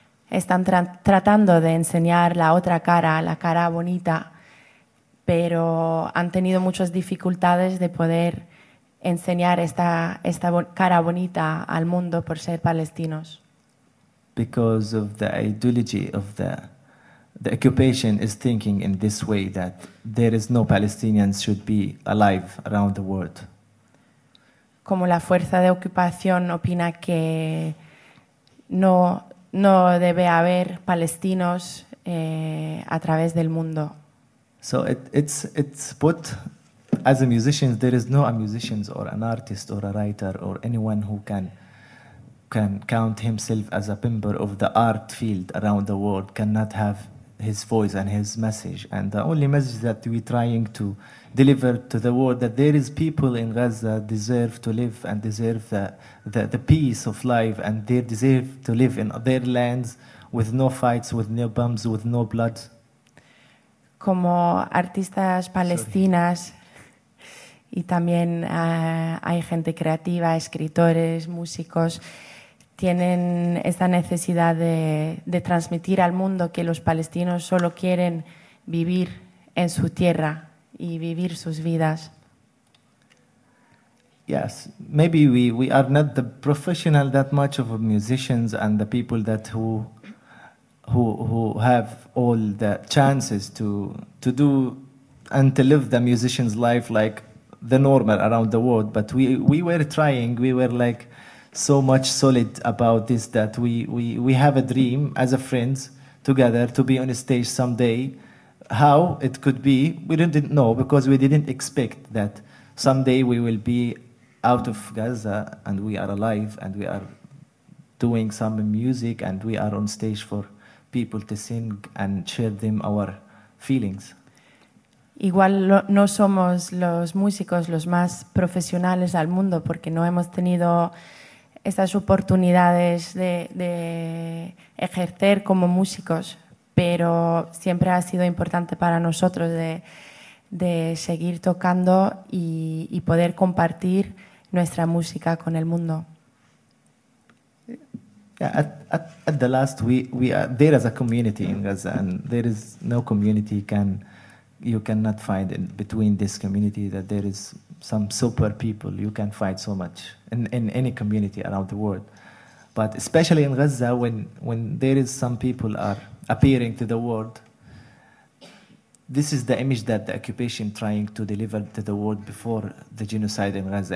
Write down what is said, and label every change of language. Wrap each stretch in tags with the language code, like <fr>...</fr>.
<es>Están tratando de enseñar la otra cara, la cara bonita, pero han tenido muchas dificultades de poder enseñar esta cara bonita al mundo por ser palestinos.</es> <en>Because of the ideology of the occupation is thinking in this way that there is no Palestinians should be alive around the world.</en> <es>Como la fuerza de ocupación opina que no debe haber palestinos a través del mundo.</es> <en>So it's put as a musician, there is no a musician or an artist or a writer or anyone who can count himself as a member of the art field around the world cannot have his voice and his message. And the only message that we trying to deliver to the world that there is people in Gaza deserve to live and deserve the peace of life, and they deserve to live in their lands with no fights, with no bombs, with no blood.</en> <es>Como artistas palestinas.</es> <en>Sorry.</en> <es>Y también hay gente creativa, escritores, músicos, tienen esta necesidad de transmitir al mundo que los palestinos solo quieren vivir en su tierra y vivir sus vidas.</es> <en>Yes, maybe we are not the professional that much of musicians and the people that who have all the chances to do and to live the musician's life like the normal around the world, but we were trying, we were like so much solid about this that we have a dream as a friends together to be on a stage someday. How it could be, we didn't know, because we didn't expect that someday we will be out of Gaza and we are alive and we are doing some music and we are on stage for people to sing and share them our feelings.</en> <es>Igual no somos los músicos los más profesionales al mundo porque no hemos tenido estas oportunidades de ejercer como músicos, pero siempre ha sido importante para nosotros de seguir tocando y poder compartir nuestra música con el mundo.</es> <en>Yeah, at the last we are there as a community in Gaza, and there is no community you cannot find in between this community that there is some super people. You can find so much in any community around the world, but especially in Gaza, when there is some people are appearing to the world, this is the image that the occupation trying to deliver to the world before the genocide in Gaza.</en>